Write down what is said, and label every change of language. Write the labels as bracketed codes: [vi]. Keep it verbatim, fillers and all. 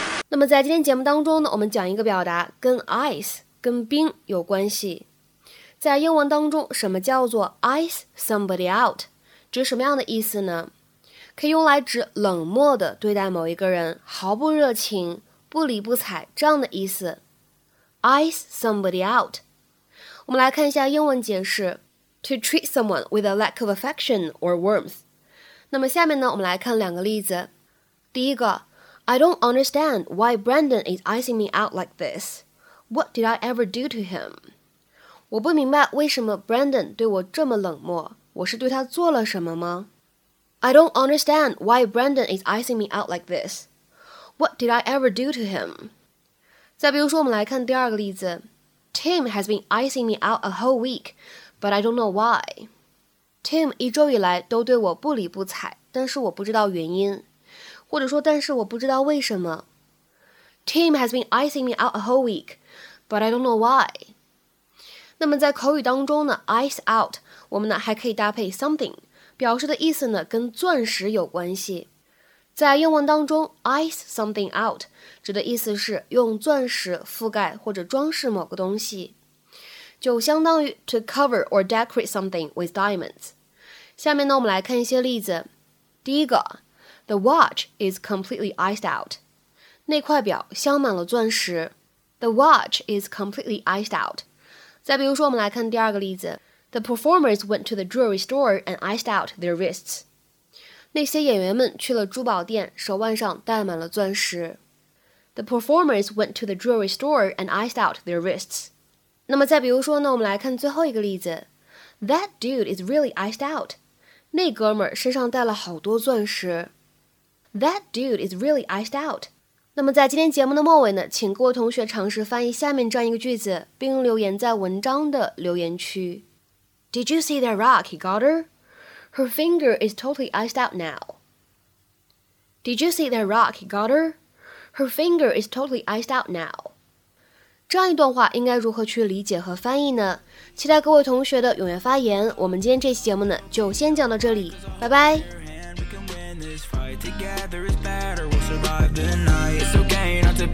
[zh] 那么在今天节目当中呢，我们讲一个表达跟 ice 跟冰有关系。在英文当中，什么叫做 ice somebody out？指什么样的意思呢？可以用来指冷漠地对待某一个人，毫不热情，不理不睬这样的意思。 [en] Ice somebody out。 [zh] 我们来看一下英文解释 [en] ：to treat someone with a lack of affection or warmth。 [zh] 那么下面呢，我们来看两个例子。第一个 [en] ：I don't understand why Brandon is icing me out like this. What did I ever do to him？ [zh] 我不明白为什么 Brandon 对我这么冷漠，我是对他做了什么吗？ [en] I don't understand why Brandon is icing me out like this. What did I ever do to him? [zh] 再比如说，我们来看第二个例子。 [en] Tim has been icing me out a whole week, but I don't know why. [zh] Tim 一周以来都对我不理不睬，但是我不知道原因，或者说，但是我不知道为什么。 [en] Tim has been icing me out a whole week, but I don't know why. [zh] 那么在口语当中呢 ，ice out 我们呢还可以搭配 something。表示的意思呢跟钻石有关系。在英文当中 ice something out 指的意思是用钻石覆盖或者装饰某个东西，就相当于 [en] to cover or decorate something with diamonds。 [zh] 下面呢我们来看一些例子。第一个 [en] The watch is completely iced out， [zh] 那块表镶满了钻石。 [en] The watch is completely iced out。 [zh] 再比如说，我们来看第二个例子。 [en] The performers went to the jewelry store and iced out their wrists. [zh] 那些演员们去了珠宝店，手腕上戴满了钻石。 [en] The performers went to the jewelry store and iced out their wrists. [zh] 那么再比如说呢，我们来看最后一个例子 [en] That dude is really iced out. [zh] 那哥们儿身上带了好多钻石。 [en] That dude is really iced out. [zh] 那么在今天节目的末尾呢，请各位同学尝试翻译下面这样一个句子，并留言在文章的留言区。 [en] Did you see that rock he got her? Her finger is totally iced out now. Did you see that rock he got her? Her finger is totally iced out now. [zh] 这样一段话应该如何去理解和翻译呢？期待各位同学的踊跃发言。我们今天这期节目呢，就先讲到这里，拜拜。